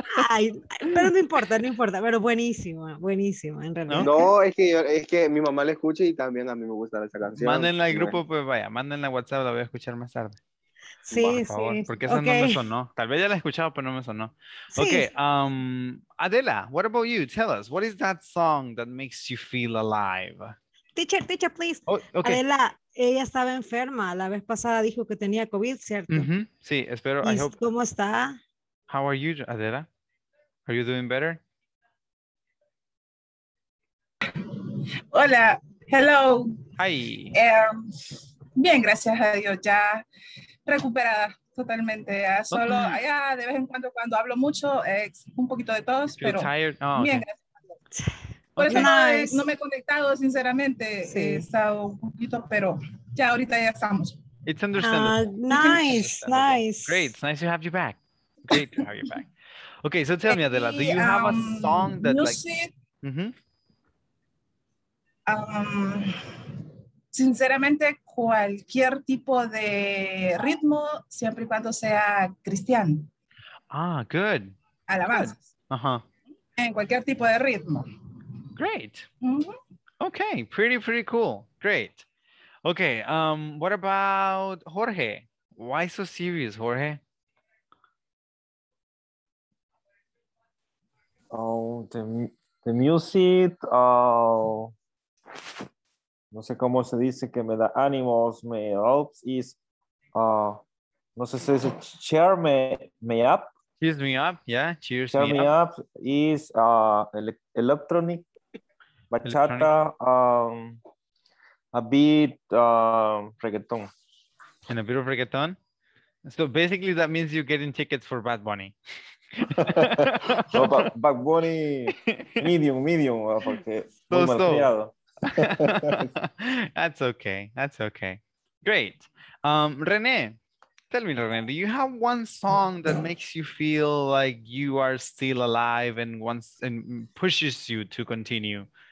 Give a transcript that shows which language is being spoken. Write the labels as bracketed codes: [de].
[es] Ay, pero no importa, pero buenísimo, en realidad. No, es que mi mamá la escucha y también a mí me gusta esa canción. Mándenla al grupo, pues vaya, mándenla a WhatsApp, la voy a escuchar más tarde. Sí, por favor, sí. Porque esa no me sonó. Tal vez ya la he escuchado, pero no me sonó. [en] Sí. Okay, Adela, what about you? Tell us, what is that song that makes you feel alive? Teacher, please. Oh, okay. [es] Adela, ella estaba enferma. La vez pasada dijo que tenía COVID, ¿cierto? Mm-hmm. Sí, espero. ¿Y cómo está? [en] How are you, Adela? Are you doing better? [es] Hola, hello. [en] Hi. [es] Bien, gracias a Dios, ya recuperada totalmente. Solo allá de vez en cuando hablo mucho, un poquito de tos, pero [en] tired? Oh, [es] bien, [en] okay. [es] Gracias a Dios. Por eso no me he conectado, sinceramente. Sí. He estado un poquito, pero ya ahorita ya estamos. [en] It's understandable. Nice. Great, it's nice to have you back. Great to have you back. Okay, so tell me, Adela, do you have a song that music, like... Mm-hmm. [es] Sinceramente, cualquier tipo de ritmo, siempre y cuando sea cristiano. [en] Ah, good. [es] Alabanzas. Uh-huh. En cualquier tipo de ritmo. [en] Great. Mm-hmm. Okay, pretty cool. Great. Okay, what about Jorge? Why so serious, Jorge? Oh, the music, [es] no sé cómo se dice que me da ánimos, me helps, is, no sé si dice, [en] cheer me up. Cheers me up, yeah, cheers cheer me up. Cheer me up is electronic, bachata, a bit reggaeton. And a bit of reggaeton? So basically that means you're getting tickets for Bad Bunny. [es] No, Bad Bunny, medium, porque so, muy so. Mal [en] that's okay, great. René, tell me, René, do you have one song that makes you feel like you are still alive and wants and pushes you to continue?